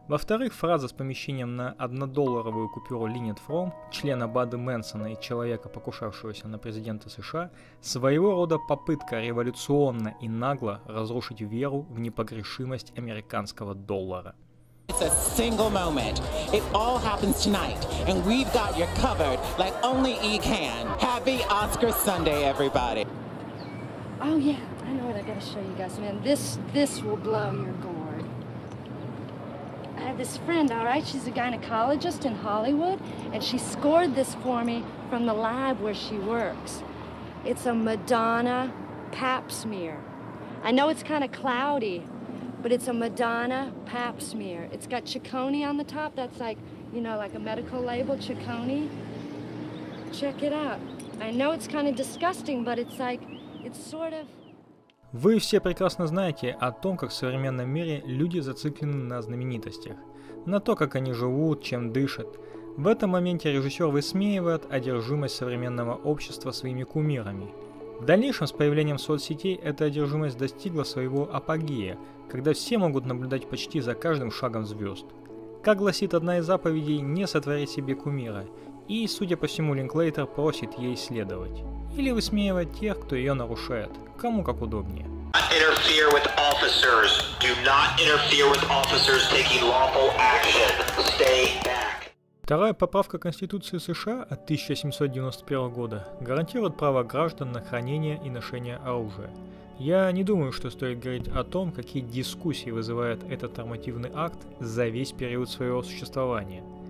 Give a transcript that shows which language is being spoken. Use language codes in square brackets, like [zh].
[ru] Во-вторых, фраза с помещением на однодолларовую купюру Линет Фром, члена Бады Мэнсона и человека, покушавшегося на президента США, своего рода попытка революционно и нагло разрушить веру в непогрешимость американского доллара. [en] It's a single moment. It all happens tonight, and we've got you covered like only E can. Happy Oscar Sunday, everybody. Oh yeah, I know what I gotta show you guys, man. This will blow your gourd. I have this friend, all right? She's a gynecologist in Hollywood, and she scored this for me from the lab where she works. It's a Madonna pap smear. I know it's kind of cloudy, but it's a Madonna pap smear. It's got chicone on the top. That's like, you know, like a medical label, chicone. Check it out. I know it's kind of disgusting, but it's like, it's sort of... [ru] Вы все прекрасно знаете о том, как в современном мире люди зациклены на знаменитостях, на то, как они живут, чем дышат. В этом моменте режиссер высмеивает одержимость современного общества своими кумирами. В дальнейшем, с появлением соцсетей, эта одержимость достигла своего апогея, когда все могут наблюдать почти за каждым шагом звезд. Как гласит одна из заповедей, не сотворить себе кумира, и, судя по всему, Линклейтер просит ей следовать. Или высмеивать тех, кто ее нарушает, кому как удобнее. [en] Do not interfere with officers. Do not interfere with officers taking lawful action. Stay back. [ru] Вторая поправка Конституции США от 1791 года гарантирует право граждан на хранение и ношение оружия. Я не думаю, что стоит говорить о том, какие дискуссии вызывает этот нормативный акт за весь период своего существования.